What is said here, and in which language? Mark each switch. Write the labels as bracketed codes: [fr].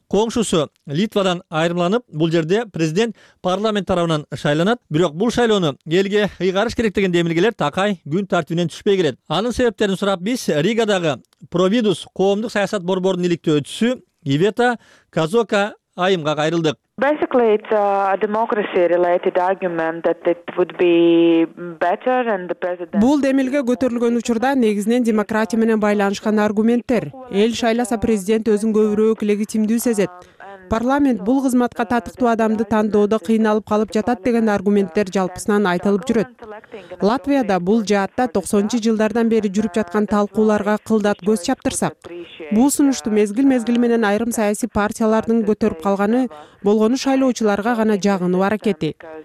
[ky] Коңшусу Литвадан айырмаланып, бул жерде президент парламент тарабынан шайланат. Бирок бул шайлоону элге ыйгарыш керек деген демилгелер такай күн тартибинен түшпөй келет. Анын себептерин сурап, биз Ригадагы Providus коомдук саясат борборунун иликтөөчүсү Ивета Казока айымга кайрылдык. [en] Basically, it's a democracy-related argument that it would be better and the president... [ky] Бул демилге көтөрүлгөн учурда негизинен демократия менен байланышкан аргументтер. Эл шайласа, президент өзүн көбүрөөк легитимдүү сезет. парламент бул кызматка татыктуу адамды тандоодо кыйналып калып жатат деген аргументтер жалпысынан айтылып жүрөт. Латвияда бул жаатта 90-жы жылдардан бери жүрүп жаткан талкууларга кылдат көз чаптырсак, бул сунушту мезгил-мезгил менен айрым саясий партиялардын көтөрүп калганы болгону шайлоочуларга гана жагынуу аракети.